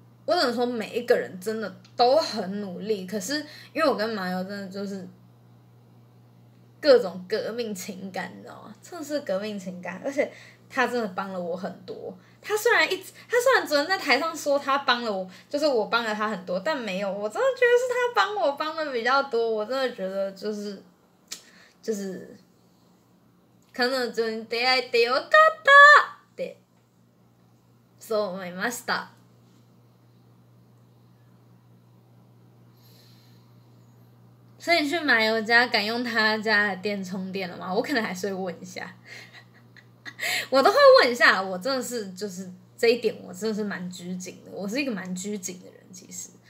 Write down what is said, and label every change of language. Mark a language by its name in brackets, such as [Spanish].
[Chinese] 我只能说每一个人真的都很努力，可是因为我跟麻油真的就是各种革命情感，你知道吗？真的是革命情感，而且他真的帮了我很多。他虽然昨天在台上说他帮了我，就是我帮了他很多，但没有，我真的觉得是他帮我帮的比较多。我真的觉得就是可能就是 [Japanese] 出会ってよかったってそう思いました。 [Chinese] 所以你去麻油家敢用他家的电充电了吗？我可能还是会问一下。我都会问一下，我真的是就是这一点我真的是蛮拘谨的，我是一个蛮拘谨的人其实。